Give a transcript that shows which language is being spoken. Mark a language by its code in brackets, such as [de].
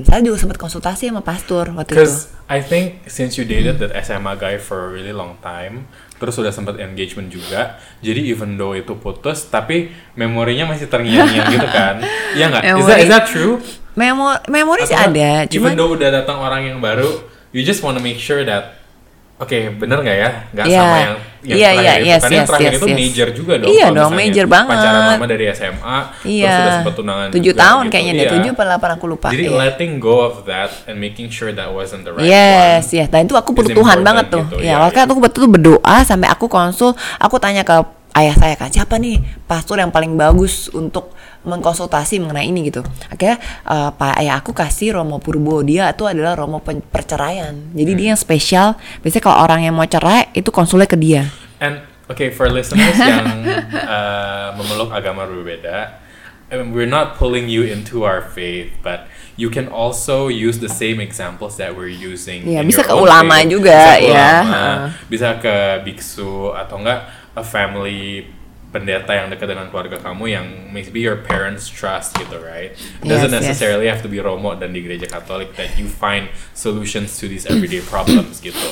[id] Saya juga sempat konsultasi sama pastor waktu itu. [en] Because I think since you dated that SMA guy for a really long time, [id] terus udah sempat engagement juga. Jadi [en] even though [id] itu putus, tapi memorinya masih terngiang-ngiang gitu kan. Iya enggak? [en] Is that true? [id] Memori sih ada, cuma [en] even though [id] udah datang orang yang baru, [en] you just wanna make sure that okay, [id] benar enggak ya? Enggak [en] yeah. [id] sama yang terakhir itu major juga dong. Iya dong, major banget. Pacaran lama dari SMA, yeah. terus sudah sempat tunangan 7 juga, tahun gitu. Kayaknya deh, 7 atau 8 aku lupa. [en] Jadi letting go of that and making sure that wasn't the right one. [id] Yes, dan itu aku perlu Tuhan banget tuh gitu, ya, waktu itu aku betul-betul berdoa sampai aku konsul. Aku tanya ke ayah saya kan, siapa nih pastor yang paling bagus untuk mengkonsultasi mengenai ini gitu. Akhirnya Pak ayah aku kasih Romo Purbo. Dia itu adalah Romo perceraian. Jadi dia yang spesial. Biasanya kalau orang yang mau cerai itu konsulnya ke dia. [en] And okay, for listeners [id] yang memeluk agama berbeda, [en] I mean, we're not pulling you into our faith, but you can also use the same examples that we're using. [id] Yeah, bisa ke ulama faith. Juga bisa ke ya. Bisa ke biksu atau enggak [en] a family [id] pendeta yang dekat dengan keluarga kamu yang [en] maybe your parents trust [id] gitu, [en] right? Doesn't necessarily have to be Romo [id] dan di gereja Katolik [en] that you find solutions to these everyday problems [id] gitu.